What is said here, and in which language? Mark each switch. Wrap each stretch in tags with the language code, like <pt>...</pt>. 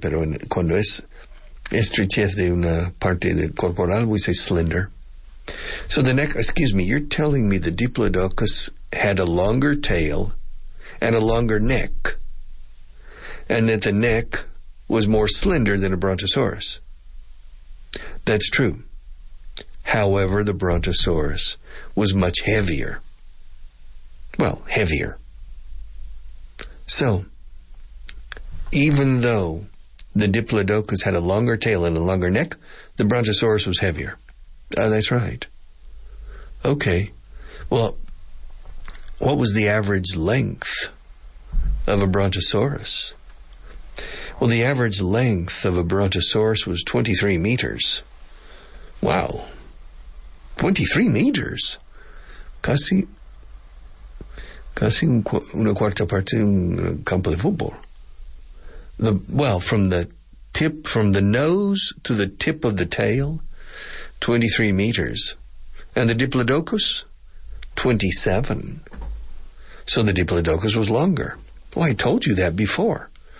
<es>Pero cuando es estrechez de una parte del corporal,</es> <en>we say slender. So the neck, excuse me, you're telling me the Diplodocus had a longer tail and a longer neck, and that the neck was more slender than a Brontosaurus. That's true. However, the Brontosaurus was much heavier. Well, heavier. So, even though the Diplodocus had a longer tail and a longer neck, the Brontosaurus was heavier. That's right. Okay. Well, what was the average length of a Brontosaurus? Well, the average length of a Brontosaurus was 23 meters. Wow. 23 meters?</en> <es>Casi una cuarta parte de un campo de fútbol.</es> <en>From the nose to the tip of the tail, 23 meters. And the Diplodocus? 27. So the Diplodocus was longer. Well, I told you that before.</en>